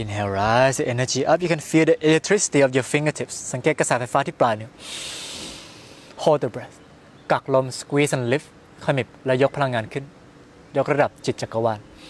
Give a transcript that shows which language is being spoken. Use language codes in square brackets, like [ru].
[en] rise the energy up. You can feel the electricity of your fingertips. [th] สังเกตกระแสไฟฟ้าที่ปลายนิ้ว [en] Hold the breath. [th] กักลม [en] squeeze and lift. [th] ขมิบและยกพลังงานขึ้นยกระดับจิตจักรวาล